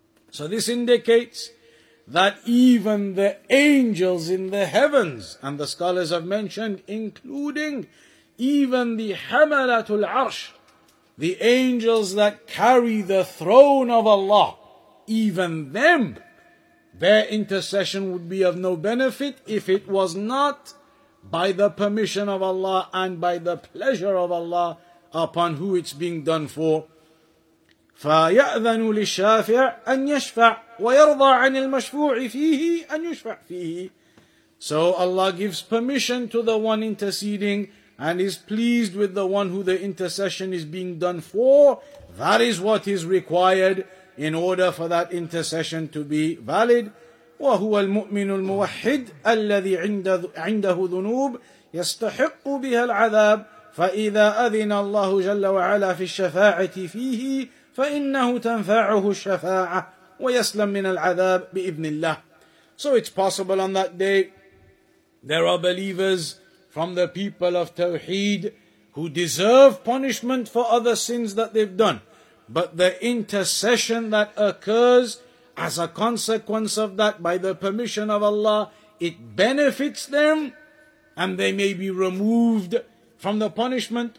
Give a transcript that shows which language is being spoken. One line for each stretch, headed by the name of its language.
English: So this indicates that even the angels in the heavens, and the scholars have mentioned, including even the حَمَلَةُ الْعَرْشِ, the angels that carry the throne of Allah, even them, their intercession would be of no benefit if it was not by the permission of Allah and by the pleasure of Allah upon who it's being done for.
Arabic: فيأذن للشافع أن يشفع ويرضى عن المشفوع فيه أن يشفع فيه.
English: So Allah gives permission to the one interceding and is pleased with the one who the intercession is being done for. That is what is required in order for that intercession to be valid.
Arabic: وهو المؤمن الموحد الذي عنده ذنوب يستحق بها العذاب فإذا أذن الله جل وعلا في الشفاعة فيه فإنه تنفعه الشفاعة ويسلم من العذاب بإذن الله.
English: So it's possible on that day there are believers from the people of Tawheed who deserve punishment for other sins that they've done. But the intercession that occurs as a consequence of that, by the permission of Allah, it benefits them and they may be removed from the punishment.